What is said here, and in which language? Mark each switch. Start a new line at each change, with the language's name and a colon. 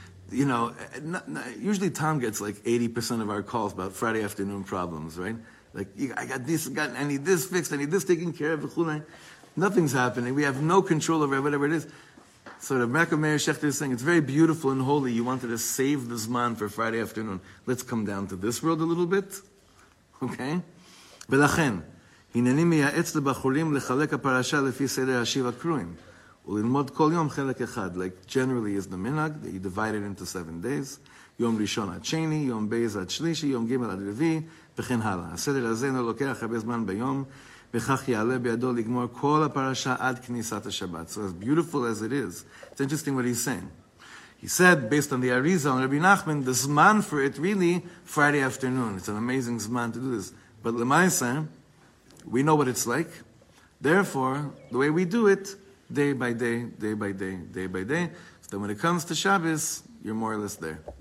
English: You know, usually Tom gets like 80% of our calls about Friday afternoon problems, right? Like, I got this, I need this fixed, I need this taken care of. Nothing's happening. We have no control over whatever it is. So the Rebbe Meir Shechter is saying, it's very beautiful and holy. You wanted to save the Zman for Friday afternoon. Let's come down to this world a little bit. Okay?
Hebrew: ולכן, הנני מייעץ לבחורים לחלק הפרשה לפי סדר השיב הקרויים, וללמוד כל יום חלק אחד.
English: Like, generally is the minhag, that you divide it into 7 days.
Hebrew: יום ראשון עד שני, יום בייז עד שלישי, יום גימל עד רביעי, וכן הלאה. הסדר הזה לא לוקח הרבה זמן ביום, וכך יעלה בידו לגמור כל הפרשה עד כניסת השבת.
English: So as beautiful as it is, it's interesting what he's saying. He said, based on the Arizal and Rabbi Nachman, the Zman for it really, Friday afternoon. It's an amazing Zman to do this. But Lemaisa, we know what it's like. Therefore, the way we do it, day by day, day by day, day by day, so that when it comes to Shabbos, you're more or less there.